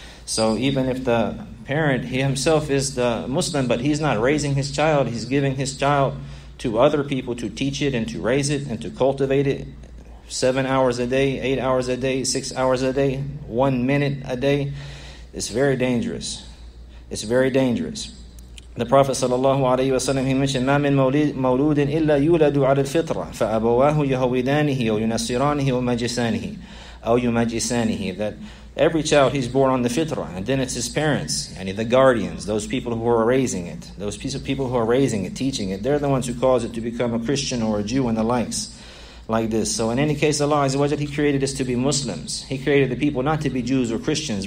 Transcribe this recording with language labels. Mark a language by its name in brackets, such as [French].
[English] So even if the parent, he himself is the Muslim, but he's not raising his child, he's giving his child to other people to teach it and to raise it and to cultivate it 7 hours a day, 8 hours a day, 6 hours a day, 1 minute a day. It's very dangerous. It's very dangerous. The Prophet sallallahu alayhi wa sallam, he mentioned, [Arabic] مَا مِن مَوْلُودٍ إِلَّا يُولَدُ عَلَى الْفِطْرَةِ فَأَبَوَاهُ يَهَوِدَانِهِ وَيُنَصِّرَانِهِ وَمَجِسَانِهِ أَوْ يُمَجِسَانِهِ. [English] That every child, he's born on the fitrah, and then it's his parents, and the guardians, those people who are raising it, those people who are raising it, teaching it, they're the ones who cause it to become a Christian or a Jew and the likes like this. So in any case, Allah Azza wa Jalla, He created us to be Muslims. He created the people not to be Jews or Christians.